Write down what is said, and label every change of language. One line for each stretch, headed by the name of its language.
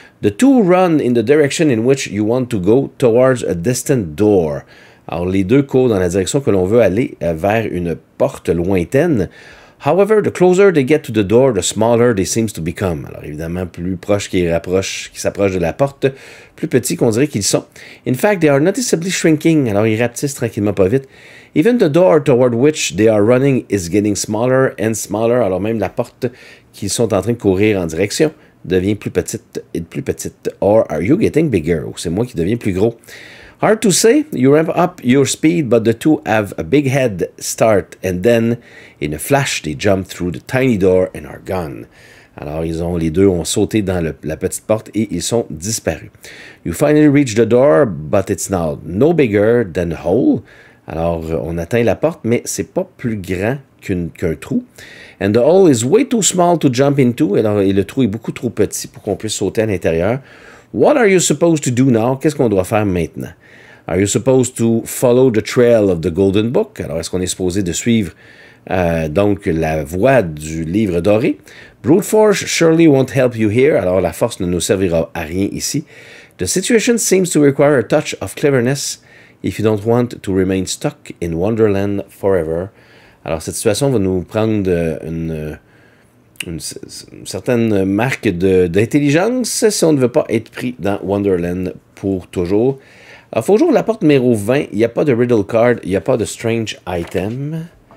English: The two run in the direction in which you want to go towards a distant door.
French: Alors, les deux courent dans la direction que l'on veut aller vers une porte lointaine.
English: However, the closer they get to the door, the smaller they seem to become.
French: Alors, évidemment, plus proche qu'ils s'approchent de la porte, plus petits qu'on dirait qu'ils sont.
English: In fact, they are noticeably shrinking.
French: Alors, ils rapetissent tranquillement pas vite.
English: Even the door toward which they are running is getting smaller and smaller.
French: Alors, même la porte qu'ils sont en train de courir en direction devient plus petite et plus petite.
English: Or, are you getting bigger?
French: Ou c'est moi qui deviens plus gros.
English: Hard to say, you ramp up your speed, but the two have a big head start, and then, in a flash, they jump through the tiny door and are gone.
French: Alors, les deux ont sauté dans la petite porte et ils sont disparus.
English: You finally reach the door, but it's now no bigger than a hole.
French: Alors, on atteint la porte, mais c'est pas plus grand qu'un trou.
English: And the hole is way too small to jump into.
French: Alors, et le trou est beaucoup trop petit pour qu'on puisse sauter à l'intérieur.
English: What are you supposed to do now?
French: Qu'est-ce qu'on doit faire maintenant?
English: Are you supposed to follow the trail of the golden book?
French: Alors, est-ce qu'on est supposé de suivre donc la voie du livre doré?
English: Brute force surely won't help you here.
French: Alors, la force ne nous servira à rien ici.
English: The situation seems to require a touch of cleverness if you don't want to remain stuck in Wonderland forever.
French: Alors, cette situation va nous prendre une certaine marque d'intelligence si on ne veut pas être pris dans Wonderland pour toujours. Alors, il faut ouvrir la porte numéro 20. Il n'y a pas de riddle card. Il n'y a pas de strange item.